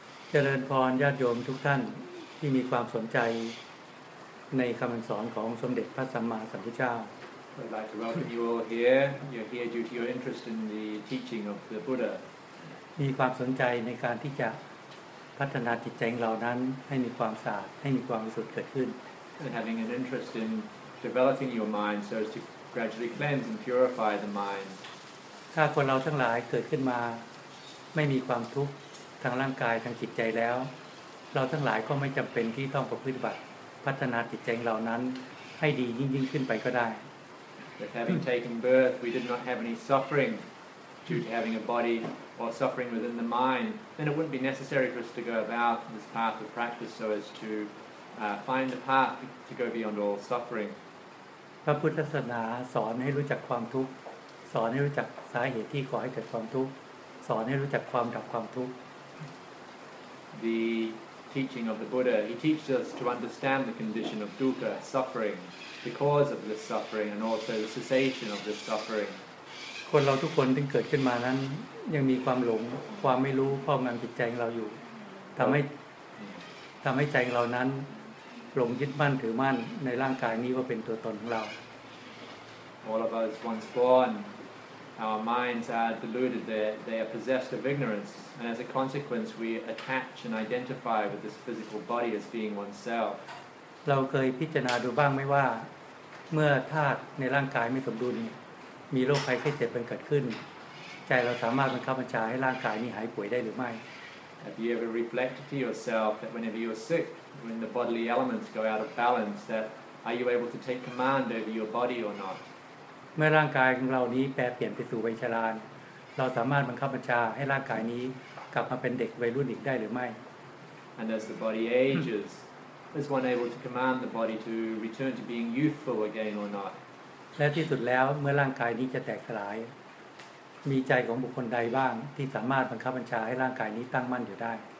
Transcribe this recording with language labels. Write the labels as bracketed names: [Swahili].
[Thai] เจริญพรญาติโยมทุกท่านที่มีความสนใจในคำสอนของสมเด็จพระสัมมาสัมพุทธเจ้า [English] I'd like to welcome you all here. You're here due to your interest in the teaching of the Buddha. [Thai] มีความสนใจในการที่จะพัฒนาจิตใจของเรานั้นให้มีความสะอาดให้มีความบริสุทธิ์เกิดขึ้น [English] And having an interest in developing your mind so as to gradually cleanse and purify the mind. [Thai] ถ้าคนเราทั้งหลายเกิดขึ้นมาไม่มีความทุกข์ทางร่างกายทางจิตใจแล้วเราทั้งหลายก็ไม่จำเป็นที่ต้องประพฤติบัติพัฒนาจิตใจเรานั้นให้ดียิ่งขึ้นไปก็ได้ [English] But having taken birth we did not have any suffering due to having a body or suffering within the mind then it wouldn't be necessary for us to go about this path of practice so as to find the path to go beyond all suffering [Thai] พระพุทธศาสนาสอนให้รู้จักความทุกข์สอนให้รู้จักสาเหตุที่ก่อให้เกิดความทุกข์สอนให้รู้จักความดับความทุกข์ [English] The teaching of the Buddha, he teaches us to understand the condition of dukkha, suffering, the cause of this suffering, and also the cessation of this suffering. [Thai] คนเราทุกคนที่เกิดขึ้นมานั้นยังมีความหลงความไม่รู้ครอบงำจิตใจของเราอยู่ทำให้ใจของเรานั้นหลงยึดมั่นถือมั่นในร่างกายนี้ว่าเป็นตัวตนของเรา [English] All of us once born. Our minds are deluded, they are possessed of ignorance, and as a consequence, we attach and identify with this physical body as being oneself. [Thai] เราเคยพิจารณาดูบ้างไหมว่าเมื่อธาตุในร่างกายไม่สมดุลมีโรคภัยไข้เจ็บเป็นเกิดขึ้นใจเราสามารถบังคับบัญชาให้ร่างกายนี้หายป่วยได้หรือไม่ [English] Have you ever reflected to yourself that whenever you are sick, when the bodily elements go out of balance, that are you able to take command over your body or not? [Thai] เมื่อร่างกายของเรานี้แปรเปลี่ยนไปสู่วัยชราเราสามารถบังคับบัญชาให้ร่างกายนี้กลับมาเป็นเด็กวัยรุ่นอีกได้หรือไม่ [English] And as the body ages is one able to command the body to return to being youthful again or not [Thai] และที่สุดแล้วเมื่อร่างกายนี้จะแตกสลายมีใจของบุคคลใดบ้างที่สามารถบังคับบัญชาให้ร่างกายนี้ตั้งมั่นอยู่ได้